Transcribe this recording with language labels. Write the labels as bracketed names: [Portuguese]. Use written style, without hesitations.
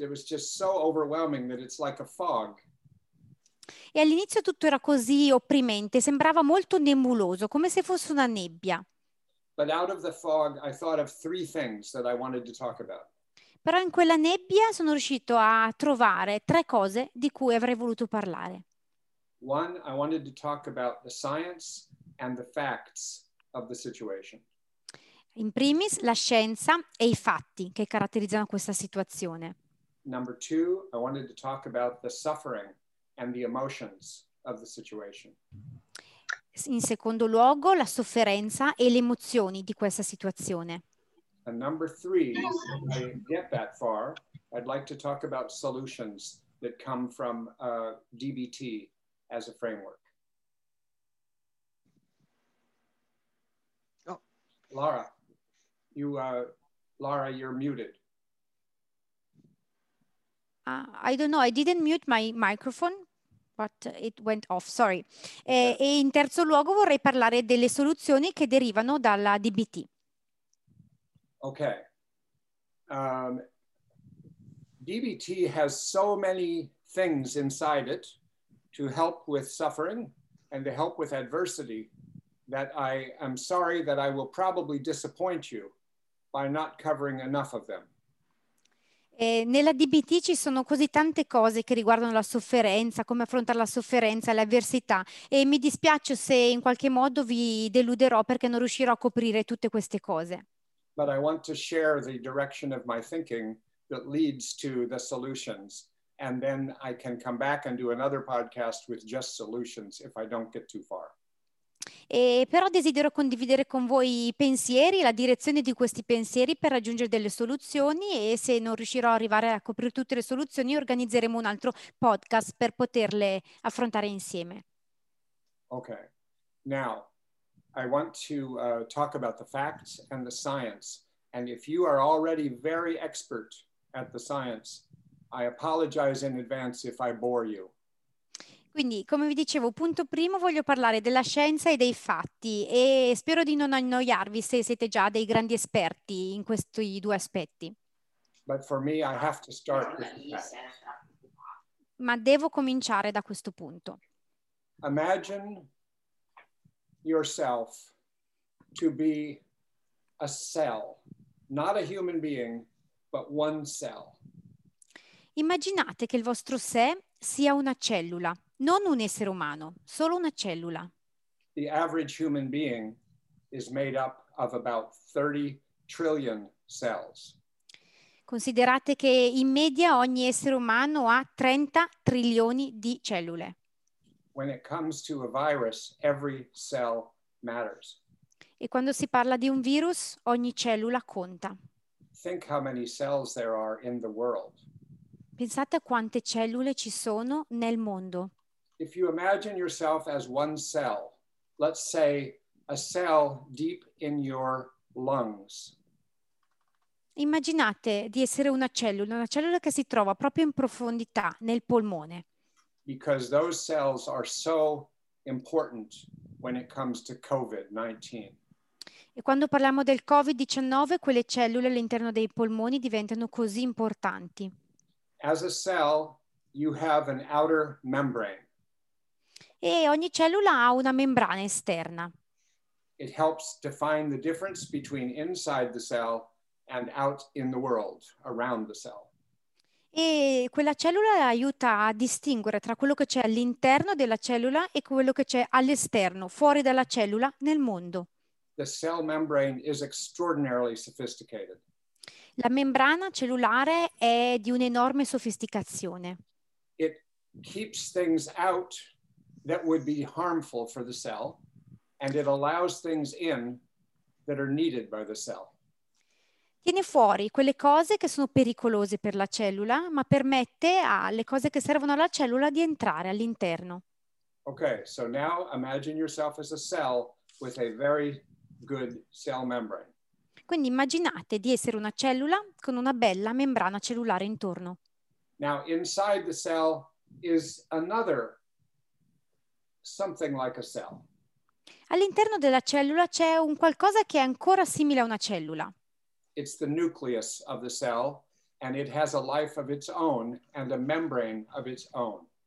[English] It was just so overwhelming that it's like a fog. [Italian] E all'inizio tutto era così opprimente, sembrava molto nebuloso, come se fosse una nebbia. [English] But out of the fog, I thought of three things that I wanted to talk about. [Italian] Però in quella nebbia sono riuscito a trovare tre cose di cui avrei voluto parlare. [English] One, I wanted to talk about the science and the facts of the situation. [Italian] In primis, la scienza e i fatti che caratterizzano questa situazione. [English] Number two, I wanted to talk about the suffering and the emotions of the situation. [Italian] In secondo luogo, la sofferenza e le emozioni di questa situazione. [English] And number three, if I get that far, I'd like to talk about solutions that come from DBT as a framework. Laura, Laura, you're muted. I don't know. I didn't mute my microphone, but it went off. Sorry. Okay. [Italian] E in terzo luogo vorrei parlare delle soluzioni che derivano dalla DBT. [English] Okay. DBT has so many things inside it to help with suffering and to help with adversity, that I am sorry that I will probably disappoint you by not covering enough of them. [Italian] Nella DBT ci sono così tante cose che riguardano la sofferenza, come affrontare la sofferenza, le avversità, e mi dispiace se in qualche modo vi deluderò perché non riuscirò a coprire tutte queste cose. [English] But I want to share the direction of my thinking that leads to the solutions, and then I can come back and do another podcast with just solutions if I don't get too far. [Italian] Però desidero condividere con voi i pensieri, la direzione di questi pensieri per raggiungere delle soluzioni, e se non riuscirò a arrivare a coprire tutte le soluzioni, organizzeremo un altro podcast per poterle affrontare insieme. [English] Ok, now I want to talk about the facts and the science, and if you are already very expert at the science, I apologize in advance if I bore you. [Italian] Quindi, come vi dicevo, punto primo voglio parlare della scienza e dei fatti, e spero di non annoiarvi se siete già dei grandi esperti in questi due aspetti. [English] But for me, I have to start with the facts. [Italian] Ma devo cominciare da questo punto. [English] Imagine yourself to be a cell, not a human being, but one cell. [Italian] Immaginate che il vostro sé sia una cellula. Non un essere umano, solo una cellula. [English] The average human being is made up of about 30 trillion cells. [Italian] Considerate che in media ogni essere umano ha 30 trilioni di cellule. [English] When it comes to a virus, every cell matters. [Italian] E quando si parla di un virus, ogni cellula conta. [English] Think how many cells there are in the world. [Italian] Pensate a quante cellule ci sono nel mondo. [English] If you imagine yourself as one cell, let's say a cell deep in your lungs. [Italian] Immaginate di essere una cellula che si trova proprio in profondità nel polmone. [English] Because those cells are so important when it comes to COVID-19. [Italian] E quando parliamo del COVID-19, quelle cellule all'interno dei polmoni diventano così importanti. [English] As a cell, you have an outer membrane. [Italian] E ogni cellula ha una membrana esterna. [English] It helps define the difference between inside the cell and out in the world, around the cell. [Italian] E quella cellula aiuta a distinguere tra quello che c'è all'interno della cellula e quello che c'è all'esterno, fuori dalla cellula, nel mondo. [English] the cell membrane is extraordinarily sophisticated. [Italian] La membrana cellulare è di un'enorme sofisticazione. [English] It keeps things out that would be harmful for the cell, and it allows things in that are needed by the cell. [Italian] Tiene fuori quelle cose che sono pericolose per la cellula, ma permette alle cose che servono alla cellula di entrare all'interno. [English] Okay, so now imagine yourself as a cell with a very good cell membrane. [Italian] Quindi immaginate di essere una cellula con una bella membrana cellulare intorno. [English] Now inside the cell is another something like a cell. [Italian] All'interno della cellula c'è un qualcosa che è ancora simile a una cellula. [English] It's the nucleus of the cell, and it has a life of its own and a membrane of its own.